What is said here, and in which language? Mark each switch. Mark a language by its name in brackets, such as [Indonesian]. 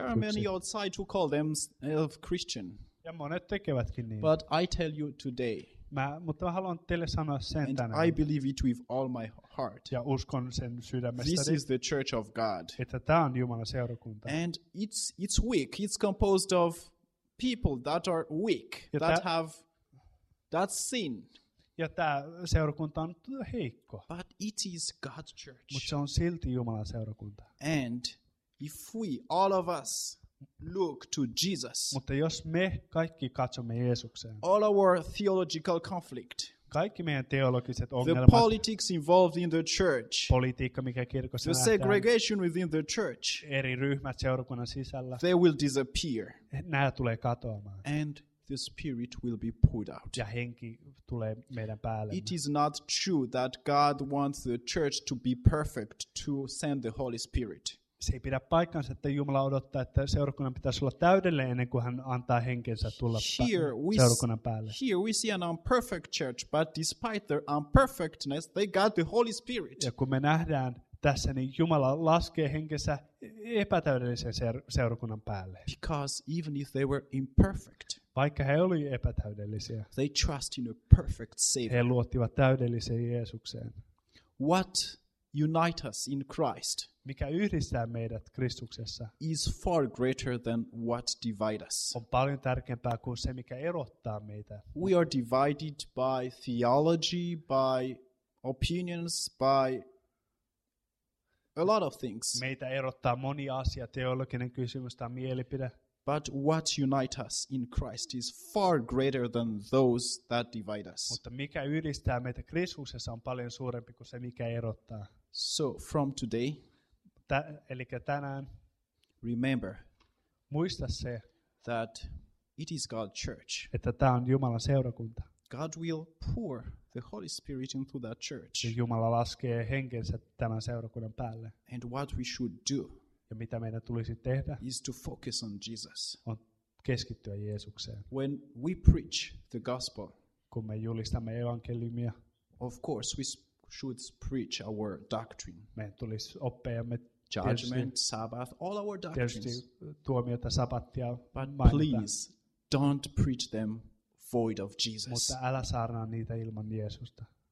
[English] There are many outside who call themselves Christian. [Finnish] Ja monet tekevätkin niin. [English] But I tell you today. [Finnish] Mutta mä haluan teille sanoa sen [English] and [Finnish] tänään. [English] I believe it with all my heart. [Finnish] Ja uskon sen sydämestäni. [English] This is the church of God. [Finnish] Että tämä on Jumalan seurakunta. [English] And it's weak. It's composed of people that are weak, [Finnish] ja [English] that have that sin. [Finnish] Ja tämä seurakunta on heikko. [English] But it is God's church. [Finnish] Mutta se on silti Jumalan seurakunta. [English] And if we, all of us, look to Jesus. [Finnish] Mutta jos me kaikki katsomme Jeesukseen. [English] All our theological conflict. [Finnish] Kaikki meidän teologiset ongelmat. [English] The politics involved in the church. [Finnish] Politiikka mikä kirkossa lähtee. [English] The segregation within the church. [Finnish] Eri ryhmät seurakunnan sisällä. [English] They will disappear. [Finnish] Nämä tulee katoamaan. [English] And the spirit will be put out. [Finnish] Ja henki tulee meidän päälle. [English] It is not true that God wants the church to be perfect to send the Holy Spirit. [Finnish] Se ei pidä paikkansa, että Jumala odottaa, että seurakunnan pitäisi olla täydellinen ennen kuin hän antaa henkensä tulla seurakunnan päälle. [English] Here we see an imperfect church, but despite their imperfectness, they got the Holy Spirit. [Finnish] Ja kun me nähdään tässä, niin Jumala laskee henkensä epätäydellisen seurakunnan päälle. [English] Because even if they were imperfect, [Finnish] vaikka he olivat epätäydellisiä, [English] they trust in a perfect Savior. [Finnish] He luottivat täydelliseen Jeesukseen. [English] What unites us in Christ? [Finnish] Mikä yhdistää meidät Kristuksessa [English] is far greater than what divides us. [Finnish] On paljon tärkeämpää kuin se, mikä erottaa meitä. [English] We are divided by theology, by opinions, by a lot of things. [Finnish] Meitä erottaa moni asia, teologinen kysymys tai mielipide. [English] But what unites us in Christ is far greater than those that divide us. [Finnish] Mutta mikä yhdistää meitä Kristuksessa on paljon suurempi kuin se, mikä erottaa. [English] So from today, [Finnish] Eli tänään, [English] remember, [Finnish] Muista se, [English] that it is God's church. [Finnish] Että tämä on Jumalan seurakunta. [English] God will pour the Holy Spirit into that church. [Finnish] Ja Jumala laskee henkensä tämän seurakunnan päälle. [English] And what we should do? [Finnish] Ja mitä meidän tulisi tehdä? [English] Is to focus on Jesus. [Finnish] On keskittyä Jeesukseen. [English] When we preach the gospel. [Finnish] Kun me julistamme evankeliumia. [English] Of course we should preach our doctrine. [Finnish] Meidän tulisi oppeamme [English] judgment, tietysti, Sabbath, all our doctrines. [Finnish] Tietysti tuomiota, sabbatia, but mainita. [English] Please don't preach them void of Jesus. [Finnish] Mutta älä saarnaa niitä ilman Jeesusta.